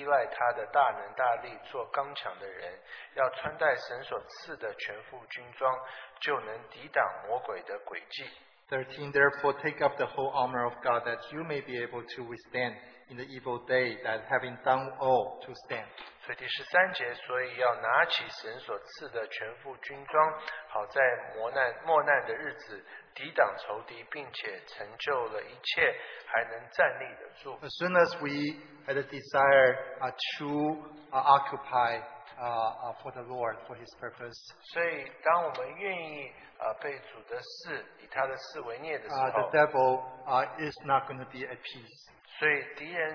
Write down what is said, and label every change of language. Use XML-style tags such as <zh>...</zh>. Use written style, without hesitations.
<zh>我还有未了的话，你们要靠着主，依赖他的大能大力，做刚强的人。要穿戴神所赐的全副军装，就能抵挡魔鬼的诡计。</zh> <en>13. Therefore, take up the whole armor of God, that you may be able to withstand in the evil day, that having done all, to stand.</en> <zh>所以第十三节，所以要拿起神所赐的全副军装，好在磨难的日子。抵挡仇敌，并且成就了一切，还能站立得住.</zh> <en>As soon as we had a desire to occupy for the Lord for His purpose,</en> <zh>所以当我们愿意 被主的事以他的事为念的时候,</zh> <en>the devil is not going to be at peace.</en>